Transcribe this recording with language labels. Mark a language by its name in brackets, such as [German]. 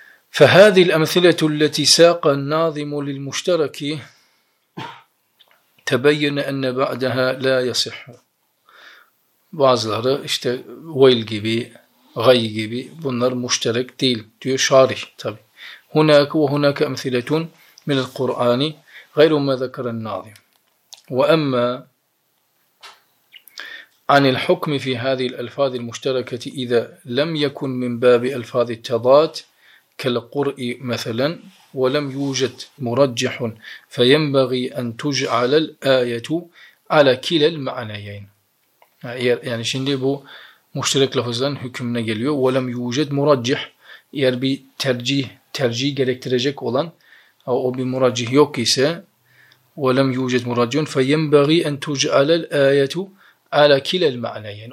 [Arabic] فهذه الأمثلة التي ساق الناظم للمشترك تبين أن بعدها لا يصح. [Turkish] Bazıları işte ويل gibi, غي gibi bunlar müşterek değil diyor şarih tabi. [Arabic] هناك وهناك أمثلة من القرآن غير ما ذكر الناظم. وأما عن الحكم في هذه الألفاظ المشتركة إذا لم يكن من باب ألفاظ التضاد كالقرء مثلا ولم يوجد مرجح فينبغي أن تجعل الآية على كلا المعنيين. [Turkish] يعني şimdi bu müşterek lafızdan hükmüne geliyor. [Arabic] ولم يوجد مرجح. [Turkish] Eğer bir tercih gerektirecek olan o bir murajih yok ise [Arabic] ولم يوجد مرجح فينبغي أن تجعل الآية على كلا المعنيين.